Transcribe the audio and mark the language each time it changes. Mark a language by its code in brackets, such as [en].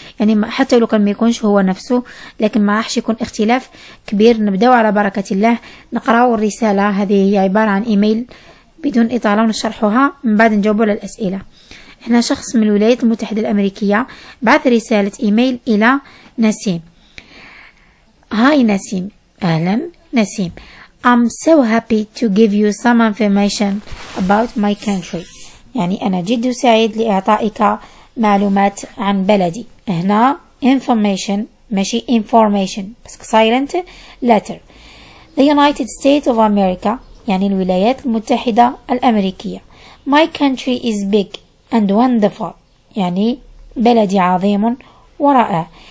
[ar] يعني حتى لو كان ما يكونش هو نفسه، لكن ما راحش يكون اختلاف كبير. نبدأ على بركة الله، نقراوا الرسالة. هذه هي عبارة عن إيميل بدون إطالة، ونشرحها من بعد نجاوبوا على الأسئلة. إحنا شخص من الولايات المتحدة الأمريكية بعث رسالة إيميل إلى نسيم. هاي نسيم. أهلا نسيم. [en] I'm so happy to give you some information about my country. [ar] يعني أنا جد سعيد لإعطائك معلومات عن بلدي. هنا information ماشي information بس silent letter. [en] The United States of America [ar] يعني الولايات المتحدة الأمريكية. [en] My country is big and wonderful. [ar] يعني بلدي عظيم ورائع.